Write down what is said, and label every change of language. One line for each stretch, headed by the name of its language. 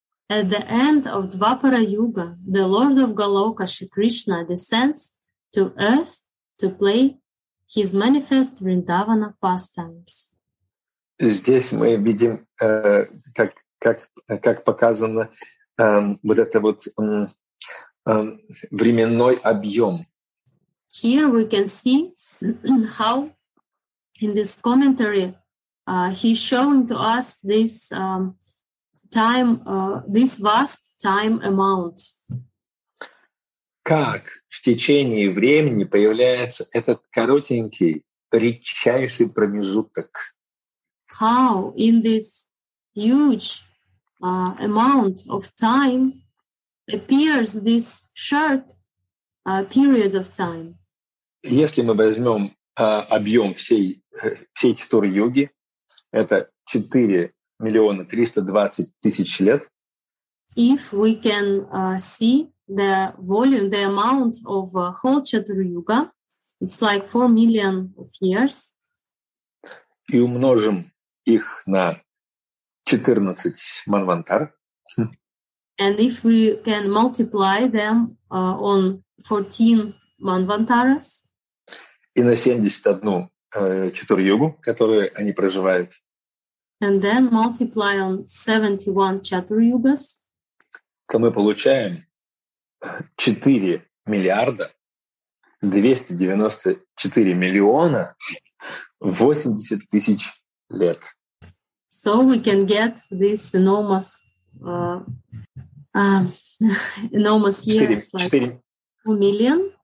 English: At the end of Двапара-юга, the Lord of Galoka, Shri Krishna, descends to earth to play His manifest Vrindavana pastimes.
Russian: Здесь мы видим, как показано вот это вот временной объем.
English: Here we can see how in this commentary he's showing to us this time, this vast time amount.
Russian: Как в течение времени появляется этот коротенький, редчайший промежуток?
English: How in this huge amount of time appears this short period of time?
Russian: Если мы возьмем объем всей Четур-юги, это 4 320 000 лет.
English: If we can see the volume, the amount of whole Четур-юга, It's like 4 million of years.
Russian: И умножим их на 14 манвантар.
English: And if we can multiply them on 14 манвантарас.
Russian: И на 71 чатур-йогу, которые они проживают.
English: And then multiply on 71 чатур-йогас.
Russian: То мы получаем 4 миллиарда 294 миллиона 80 тысяч лет.
English: So we can get this enormous enormous years, like 4 million.